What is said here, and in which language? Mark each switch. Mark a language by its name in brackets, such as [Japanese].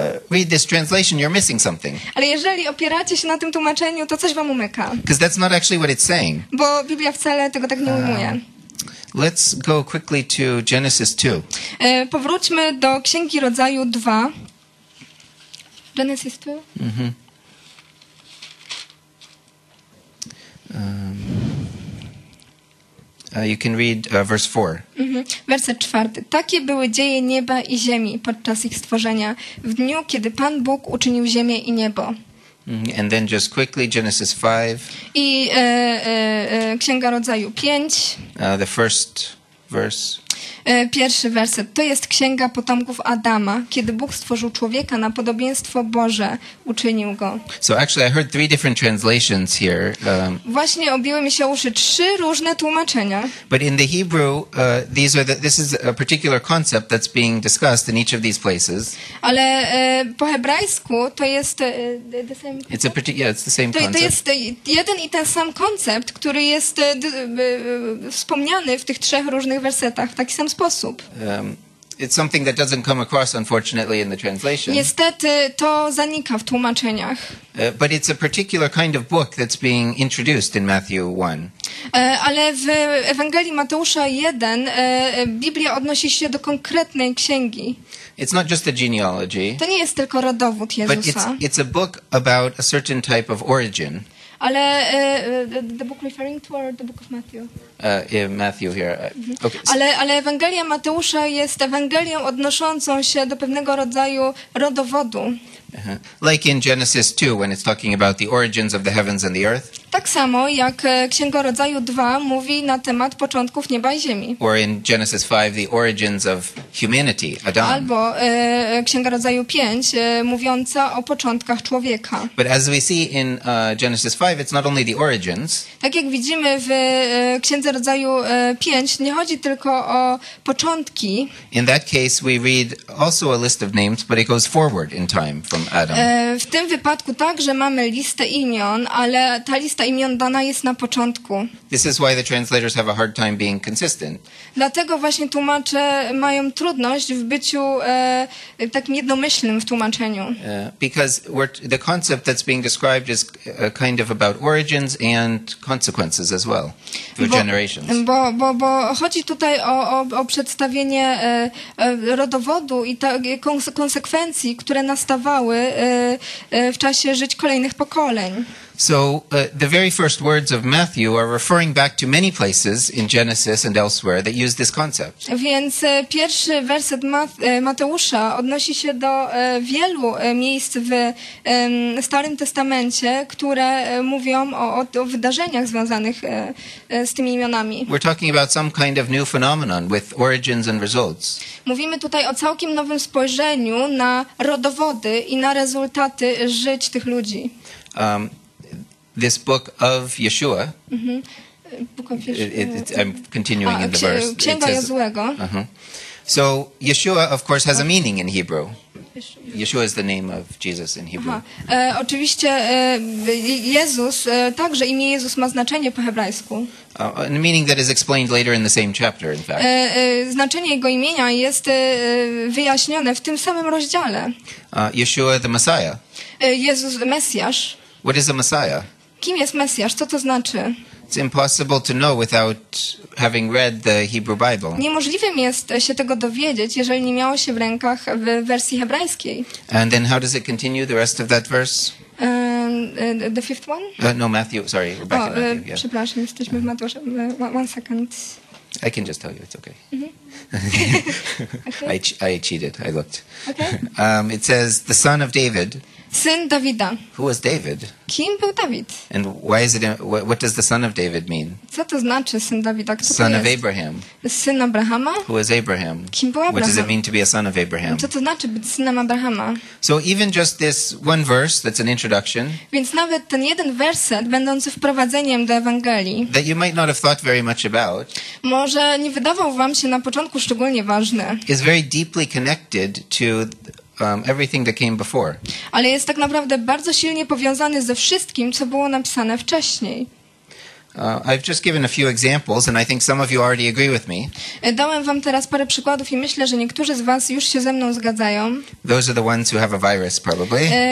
[English] Read this translation, you're missing something. [Polish] Ale jeżeli opieracie się na tym tłumaczeniu, to coś wam umyka. [English] Because that's not actually what it's saying. [Polish] Bo Biblia wcale tego tak nie ujmuje. [English] Let's go quickly to Genesis 2. [Polish] Powróćmy do Księgi Rodzaju 2. [English] Genesis 2? You can read verse 4. [Polish] Mm-hmm. Werset 4. Takie były dzieje nieba i ziemi podczas ich stworzenia, w dniu, kiedy Pan Bóg uczynił ziemię i niebo. [English] And then just quickly, Genesis 5. [Polish] I Księga Rodzaju 5. [English] The first verse. [Polish] pierwszy werset. To jest księga potomków Adama, kiedy Bóg stworzył człowieka na podobieństwo Boże, uczynił go. [English] So actually I heard three different translations here. [Polish] Właśnie obiły mi się uszy trzy różne tłumaczenia. [English] But in the Hebrew, this is a particular concept that's being discussed in each of these places. [Polish] Ale po hebrajsku to jest [English] It's the same concept. [Polish] To jest jeden i ten sam koncept, który jest wspomniany w tych trzech różnych wersetach w taki sam sposób. [English] It's something that doesn't come across, unfortunately, in the translation. [Polish] Niestety, to zanika w tłumaczeniach. [English] But it's a particular kind of book that's being introduced in Matthew 1. [Polish] Ale w Ewangelii Mateusza 1 Biblia odnosi się do konkretnej księgi. [English] It's not just a genealogy. [Polish] To nie jest tylko rodowód Jezusa. [English] But it's a book about a certain type of origin. [Polish] Ale [English] the book referring to or the book of Matthew? Matthew here. Okay. [Polish] Ale Ewangelia Mateusza jest Ewangelią odnoszącą się do pewnego rodzaju rodowodu. Uh-huh. [English] Like in Genesis 2, when it's talking about the origins of the heavens and the earth. [Polish] Tak samo jak Księga Rodzaju 2 mówi na temat początków nieba i ziemi. [English] Or in Genesis 5, the origins of humanity, Adam. [Polish] Albo Księga Rodzaju 5, mówiąca o początkach człowieka. [English] But as we see in Genesis 5, it's not only the origins. [Polish] Tak jak widzimy w Księdze Rodzaju 5, nie chodzi tylko o początki. [English] In that case, we read also a list of names, but it goes forward in time. [Polish] W tym wypadku także mamy listę imion, ale ta lista imion dana jest na początku. [English] This is why the translators have a hard time being consistent. [Polish] Dlatego właśnie tłumacze mają trudność w byciu takim jednomyślnym w tłumaczeniu. [English] Because the concept that's being described is kind of about origins and consequences as well, through generations. [Polish] Bo chodzi tutaj o przedstawienie rodowodu i konsekwencji, które nastawały w czasie żyć kolejnych pokoleń. [English] So the very first words of Matthew are referring back to many places in Genesis and elsewhere that use this concept. [Polish] Więc pierwszy werset Mateusza odnosi się do wielu miejsc w Starym Testamencie, które mówią o wydarzeniach związanych z tymi imionami. [English] We're talking about some kind of new phenomenon with origins and results. [Polish] Mówimy tutaj o całkiem nowym spojrzeniu na rodowody i na rezultaty żyć tych ludzi. [English] This book of Yeshua. Mm-hmm. Book of Yeshua. I'm continuing in the verse. [Polish] Księga Jozuego. [English] So Yeshua, of course, has a meaning in Hebrew. Yeshua is the name of Jesus in Hebrew. [Polish] Oczywiście Jezus, także imię Jezus ma znaczenie po hebrajsku. [English] A meaning that is explained later in the same chapter, in fact. [Polish] Znaczenie jego imienia jest wyjaśnione w tym samym rozdziale. [English] Yeshua the Messiah. [Polish] Jezus, Mesjasz. [English] What is a Messiah? [Polish] Kim jest Mesjasz? Co to znaczy? [English] It's impossible to know without having read the Hebrew Bible. [Polish] Niemożliwym jest się tego dowiedzieć, jeżeli nie miało się w rękach w wersji hebrajskiej. [English] And then how does it continue the rest of that verse? The fifth one? No, Matthew, sorry. We're back in Matthew. Yeah. [Polish] Przepraszam, jesteśmy w Mateusze. [English] One second. I can just tell you, it's okay. Mm-hmm. Okay. I cheated, I looked. Okay. It says, the son of David. [Polish] Syn Dawida. [English] Who was David? [Polish] Kim był Dawid? [English] And why is it, what does the son of David mean? [Polish] Co to znaczy syn Dawida? Kto [English] son [Polish] to [English] of Abraham. [Polish] Syn Abrahama? [English] Who was Abraham? [Polish] Kim był Abraham? [English] What does it mean to be a son of Abraham? [Polish] Co to znaczy być synem Abrahama? [English] So even just this one verse that's an introduction. [Polish] Więc nawet ten jeden werset będący wprowadzeniem do Ewangelii. [English] That you might not have thought very much about. [Polish] Może nie wydawał wam się na początku szczególnie ważny. [English] Is very deeply connected to everything that came before. [Polish] Ale jest tak naprawdę bardzo silnie powiązany ze wszystkim, co było napisane wcześniej. [English] I've just given a few examples and I think some of you already agree with me. [Polish] Dałem wam teraz parę przykładów i myślę, że niektórzy z was już się ze mną zgadzają. [English] Those are the ones who have a virus probably.